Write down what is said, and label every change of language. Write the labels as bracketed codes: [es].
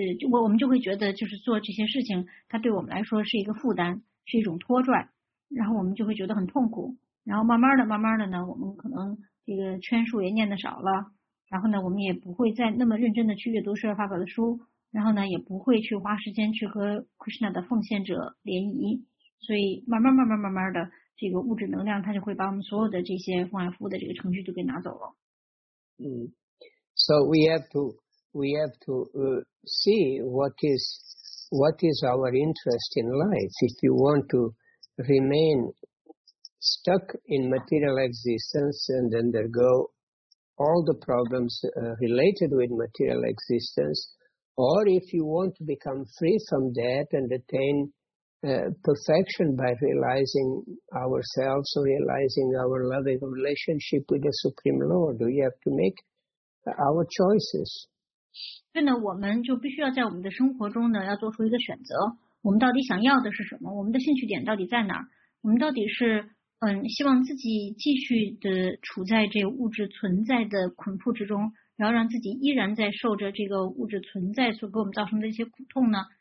[zh] 我们就会觉得就是做这些事情它对我们来说是一个负担，是一种拖拽，然后我们就会觉得很痛苦，然后慢慢的呢，我们可能这个圈数也念的少了，然后呢我们也不会再那么认真的去阅读释迦发宝的书，然后呢也不会去花时间去和 Krishna 的奉献者联谊，所以慢慢的这个物质能量它就会把我们所有的这些奉献服务的这个程序都给拿走了。 [en] 嗯， So we have to see what is our interest in life. If you want to remain stuck in material existence and undergo all the problems related with material existence, or if you want to become free from that and attain perfection by realizing ourselves or realizing our loving relationship with the Supreme Lord, we have to make our choices. [zh] 对呢，我们就必须要在我们的生活中呢，要做出一个选择。我们到底想要的是什么？我们的兴趣点到底在哪儿？我们到底是希望自己继续的处在这物质存在的捆缚之中，然后让自己依然在受着这个物质存在所给我们造成的一些苦痛呢？